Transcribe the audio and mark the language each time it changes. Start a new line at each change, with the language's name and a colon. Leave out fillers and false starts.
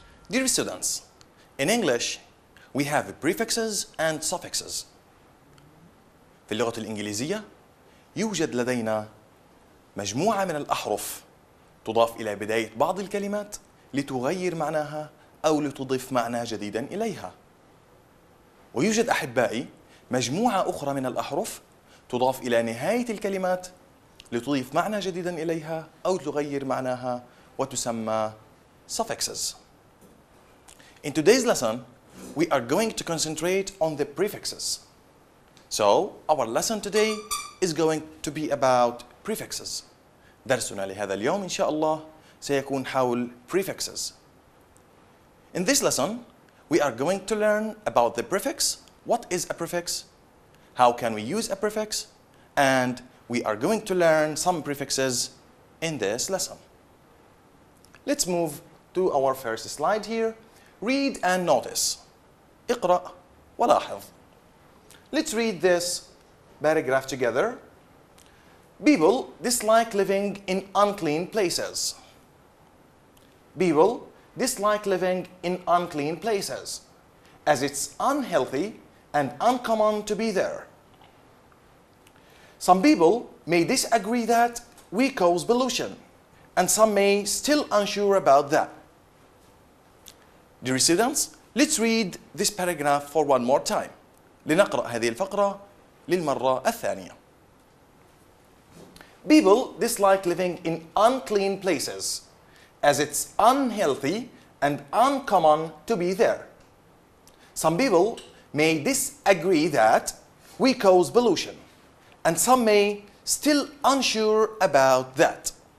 English: Dear students, in English, we have prefixes and suffixes.
Arabic: في اللغة الإنجليزية يوجد لدينا مجموعة من الأحرف تضاف إلى بداية بعض الكلمات لتغير معناها أو لتضيف معنى جديدا إليها. ويوجد أحبائي مجموعة أخرى من الأحرف تضاف إلى نهاية الكلمات لتضيف معنى جديدا إليها أو تغير معناها وتسمى suffixes.
English: In today's lesson, we are going to concentrate on the prefixes. So, our lesson today is going to be about prefixes.
Arabic: درسنا لهذا اليوم إن شاء الله سيكون حول prefixes.
English: In this lesson, we are going to learn about the prefix, what is a prefix, how can we use a prefix, and we are going to learn some prefixes in this lesson. Let's move to our first slide here. Read and notice.
Arabic: اقرأ ولاحظ.
English: Let's read this paragraph together. People dislike living in unclean places. People dislike living in unclean places, as it's unhealthy and uncommon to be there. Some people may disagree that we cause pollution, and some may still unsure about that. Dear students, let's read this paragraph for one more time.
Arabic: لنقرأ هذه الفقرة للمرة الثانية.
English: People dislike living in unclean places, as it's unhealthy and uncommon to be there. Some people may disagree that we cause pollution, and some may still unsure about that.